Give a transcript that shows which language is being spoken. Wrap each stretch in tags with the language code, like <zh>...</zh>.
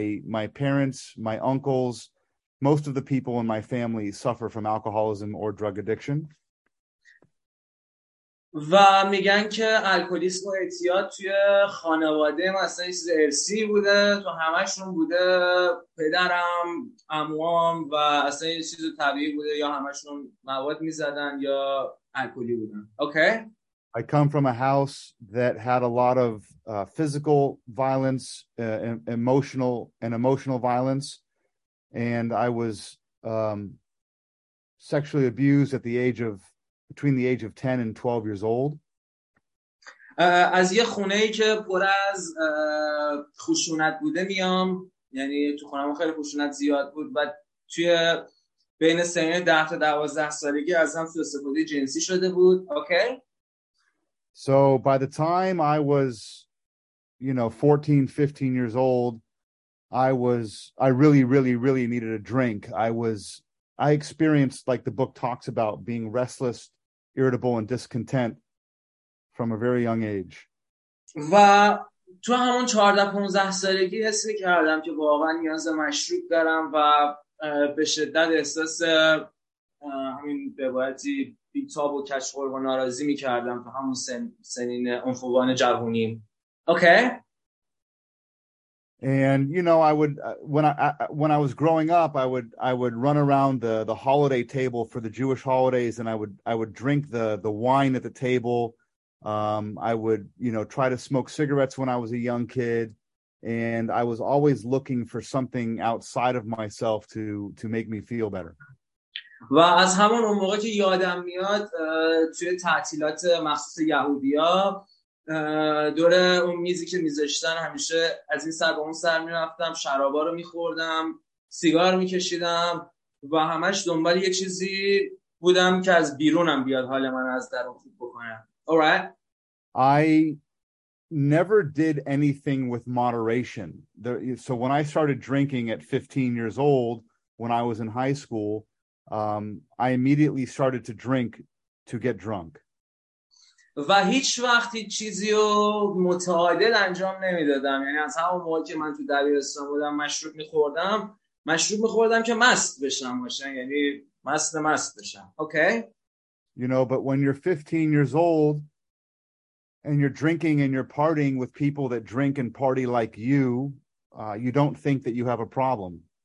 <en>My parents, my uncles, most of the people in my family suffer from alcoholism or drug addiction.</en> <fa>و میگن که الکلیسم و اعتیاد توی خانواده مثلا چیز ارثی بوده، تو همشون بوده، پدرم، عموام و اصلا این چیز طبیعی بوده، یا همشون مواد میزدن یا الکلی بودن.</fa> <en>Okay. I come from a house that had a lot of physical violence, emotional violence, and I was sexually abused at the age of between the age of 10 and 12 years old.</en> <fa>از یه خونه ای که پر از خشونت بوده میام، یعنی تو خونه من خیلی خشونت زیاد بود و توی بین سن 10 تا 12 سالگی ازم سوء استفاده جنسی شده بود.</fa> <en>Okay. So by the time I was, you know, 14, 15 years old, I really really really needed a drink. I experienced, like the book talks about, being restless, irritable and discontent from a very young age.</en> <fa>و تو همون 14 15 سالگی حس کردم که واقعا نیاز به مشروب دارم و به شدت احساس همین به عبارتی بیتاب و کچخور و ناراضی می‌کردم تو همون سنین انفوان جوونی.</fa> <en>Okay. And you know, I would when I was growing up, I would run around the holiday table for the Jewish holidays, and I would drink the wine at the table. I would, you know, try to smoke cigarettes when I was a young kid, and I was always looking for something outside of myself to make me feel better.</en> <fa>و از همون موقع که یادم میاد توی تعطیلات مخصوص یهودی‌ها دور اون میزی که میذاشتن همیشه از این سر به اون سر میرفتم، شرابا رو میخوردم، سیگار میکشیدم و همش دنبال یه چیزی بودم که از بیرونم بیاد حال من از درون خوب بکنم.</fa> <en>Alright. I never did anything with moderation. So when I started drinking at 15 years old, when I was in high school, I immediately started to drink to get drunk.</en> <fa>و هیچ وقت هیچ چیزی رو متعادل انجام نمیدادم. یعنی از همون موقع که من تو دبیرستان بودم مشروب میخوردم، مشروب میخوردم که مست بشم باشن، یعنی مست مست بشم.</fa> <en>Okay You know, but when you're 15 years old and you're drinking and you're partying with people that drink and party like you, you don't think that you have a problem.</en>